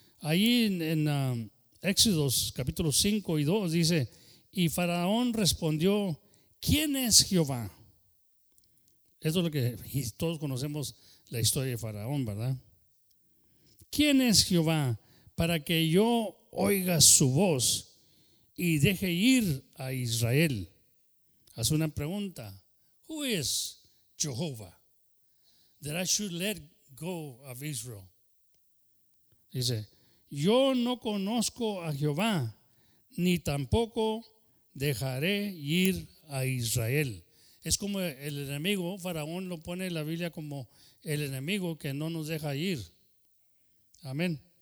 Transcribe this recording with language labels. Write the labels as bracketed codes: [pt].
[es] Ahí en Éxodos capítulo 5 y 2 dice, y Faraón respondió, ¿quién es Jehová? Esto es lo que todos conocemos la historia de Faraón, ¿verdad? ¿Quién es Jehová para que yo oiga su voz y deje ir a Israel? Hace una pregunta. [en] Who is Jehovah that I should let go of Israel? [es] Dice, yo no conozco a Jehová, ni tampoco dejaré ir a Israel. Es como el enemigo, Faraón lo pone en la Biblia como el enemigo que no nos deja ir. Amén.